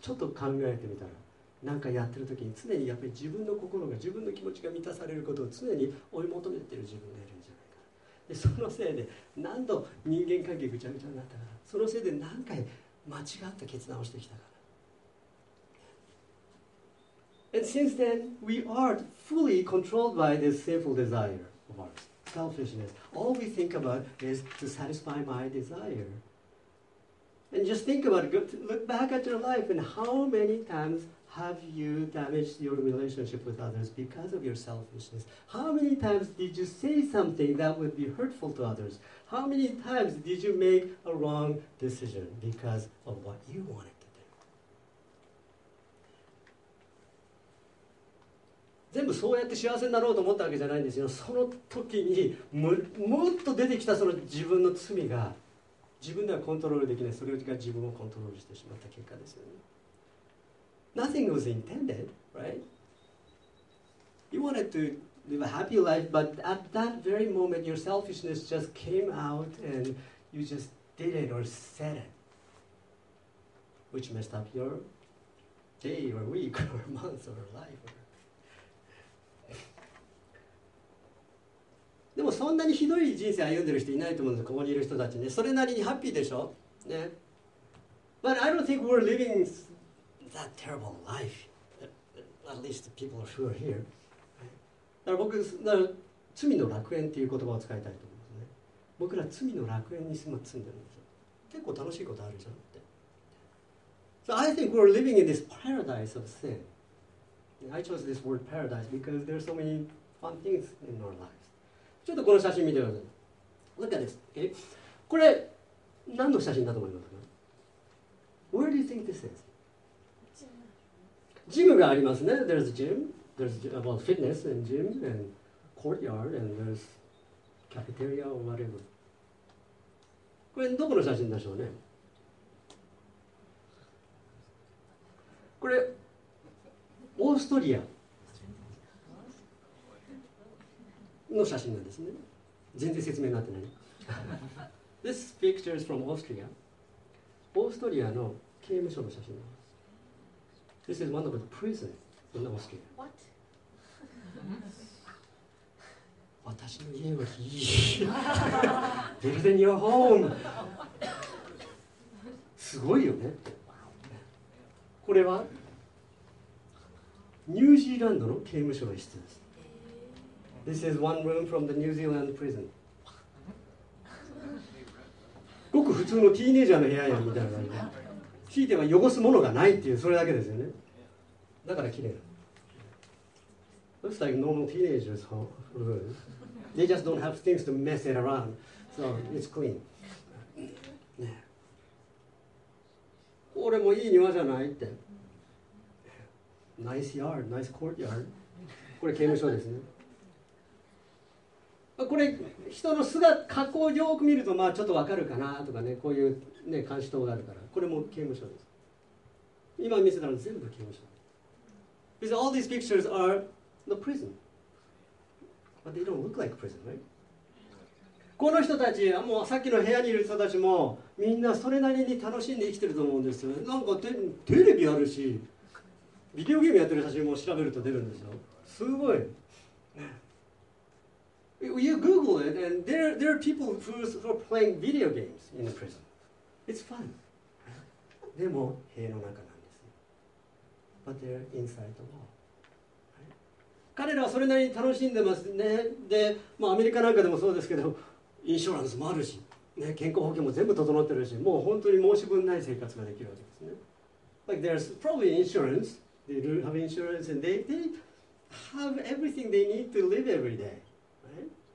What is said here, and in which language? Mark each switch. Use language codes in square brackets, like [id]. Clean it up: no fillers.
[ja] ちょっと考えてみたら、何かやってる時に常にやっぱり自分の心が自分の気持ちが満たされることを常に追い求めてる自分がいるんじゃないか。でそのせいで何度人間関係ぐちゃぐちゃになったから、そのせいで何回間違った決断をしてきたから。 [en] And since then we are fully controlled by this sinful desire of ours, selfishness. All we think about is to satisfy my desire. And just think about it, look back at your life and how many timesHave you damaged your relationship with others because of your selfishness? How many times did you say something that would be hurtful to others? How many times did you make a wrong decision because of what you wanted to do? [ja] 全部そうやって幸せになろうと思ったわけじゃないんですよ。その時にもっと出てきたその自分の罪が、自分ではコントロールできない、それが自分をコントロールしてしまった結果ですよね。 [en] Nothing was intended, right? You wanted to live a happy life, but at that very moment, your selfishness just came out and you just did it or said it, which messed up your day or week or month or life. [ja] でもそんなにひどい人生歩んでる人いないと思うんです、ここにいる人たちね。それなりにハッピーでしょ、ね。 [en] But I don't think we're living that terrible life. At least the people who are here. [ja] だから僕、罪の楽園っていう言葉を使いたいと思うんですね。僕ら罪の楽園に住んでるんですよ。結構楽しいことあるじゃんって。 [en] So I think we're living in this paradise of sin. I chose this word paradise because there are so many fun things in our lives. [ja] ちょっとこの写真見てください。 [en] Look at this. Okay? [ja] これ、何の写真だと思いますか？ [en] Where do you think this is? [ja] ジムがありますね。 [en] There's a gym. There's about fitness and gym and courtyard and there's cafeteria or whatever. [ja] これどこの写真でしょうね。これオーストリアの写真なんですね。全然説明になってない。 [en] This picture is from Austria. [ja] オーストリアの刑務所の写真です。 [en] This is one of the prisons in Austria. What? [ja] 私の家はいい。 [en] Build in your home. [ja] すごいよね。これはニュージーランドの刑務所の室です。 [en] This is one room from the New Zealand prison. [ja] ごく普通のティーネージャーの部屋やみたいな感じで。ひいては汚すものがないっていう、それだけですよね。だから綺麗な。 [en] Looks like normal teenagers, huh? They just don't have things to mess it around, so it's clean. [ja] ね、これもいい庭じゃないって。 [en] Nice yard, nice courtyard. [ja] これ刑務所ですね。これ人の姿、格好をよく見るとまあちょっとわかるかなとかね、こういうね監視塔があるから、これも刑務所です。今見せたの全部刑務所。 [en] Because all these pictures are the prison. But they don't look like prison, right? [ja] この人たち、もうさっきの部屋にいる人たちもみんなそれなりに楽しんで生きてると思うんですよ。なんか テレビあるし、ビデオゲームやってる写真も調べると出るんですよ。すごい。 [en] You Google it and there are people who are playing video games in the prison. It's fun. [ja] でも塀の中なんですよ。 [en] But they're inside the wall. [ja] 彼らはそれなりに楽しんでますね。で、まあ、アメリカなんかでもそうですけど、インシュランスもあるし、ね、健康保険も全部整ってるし、もう本当に申し分ない生活ができるわけですね。 [en] Like there's probably insurance. They do have insurance and they have everything they need to live every day, right?